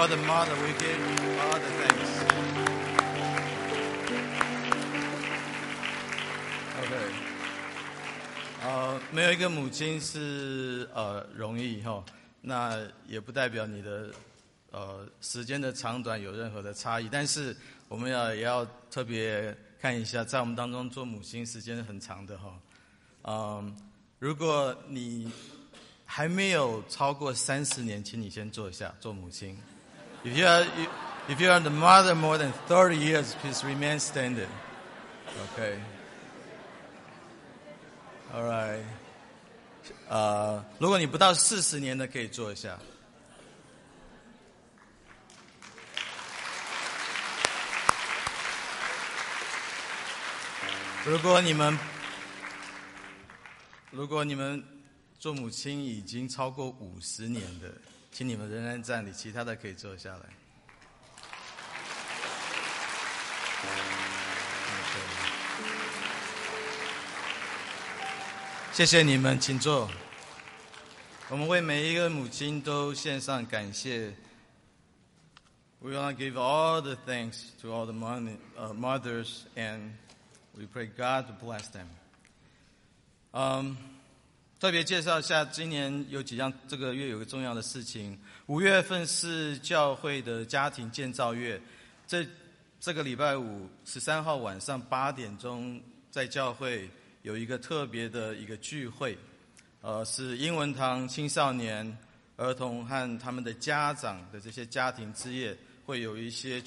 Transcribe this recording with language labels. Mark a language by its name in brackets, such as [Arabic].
[English] All the mother, we give you all the thanks. [Chinese] OK， 没有一个母亲是容易哈，那也不代表你的时间的长短有任何的差异，但是我们也要特别看一下，在我们当中做母亲时间很长的哈，如果你还没有超过30年，请你先坐一下，做母亲。 [English] If you are the mother more than 30 years, please remain standing. Okay. All right. [Chinese] 如果你不到40年的，可以坐一下。如果你们做母亲已经超过50年的，请你们仍然站立，其他的可以坐下来。谢谢你们，请坐。我们为每一个母亲都献上感谢。 [English] We want to give all the thanks to all the mothers, and we pray God to bless them. [Chinese] 特别介绍一下，今年有几样，这个月有个重要的事情。五月份是教会的家庭建造月，这个礼拜五13号晚上8点钟，在教会有一个特别的一个聚会，是英文堂青少年、儿童和他们的家长的这些家庭之夜，会有一些。